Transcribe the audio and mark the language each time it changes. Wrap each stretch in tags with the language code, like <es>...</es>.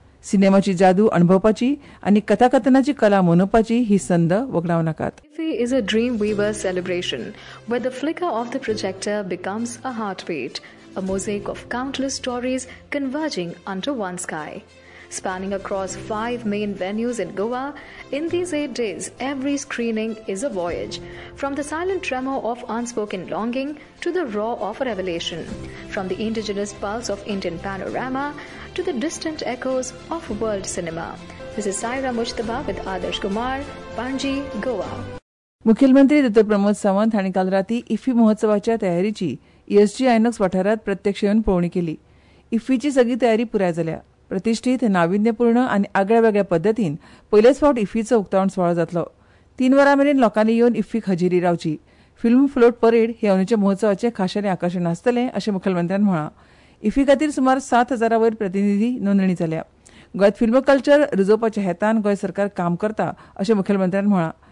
<kok>सिनेमाची जादू अणभवपाची आनी कथाकथनाची कला मनोवपाची ही संद वगडाव नाकात.</kok> <en>IFFI is a dream weaver celebration where the flicker of the projector becomes a heartbeat, a mosaic of countless stories converging under one sky. Spanning across 5 main venues in Goa, in these 8 days, every screening is a voyage. From the silent tremor of unspoken longing to the roar of a revelation. From the indigenous pulse of Indian panorama to the distant echoes of world cinema. This is Saira Mujtaba with Adarsh Kumar, Panji, Goa.</en> <kok>मुख्यमंत्री दत्त प्रमोद सावंत हांणी काल राती इफ्फी महोत्सवाच्या तयारीची ESG आयनॉक्स वाठारात प्रत्यक्ष येवन पळोवणी केली. इफ्फीची सगळी तयारी पुराय जाल्या. प्रतिश्ठीत, नाविन्यपूर्ण आनी आगळ्या वेगळ्या पद्दतीन पयलेच फावट इफ्फीचो उक्तावण सुवाळो जातलो. 3 वरां मेरेन लोकांनी येवन इफ्फीक हजेरी रावची. फिल्म फ्लोट परेड हे अंदूचे महोत्सवाचे खाशेलें आकर्षण आसतले अशें मुख्यमंत्र्यान म्हळां. इफ्फी खातीर सुमार 7,000 वयर प्रतिनिधी नोंदणी जाल्या. गोंयांत फिल्म कल्चर रुजोवपाच्या हेतान गोंय सरकार काम करता अशें मुख्यमंत्र्यान म्हळां.</kok>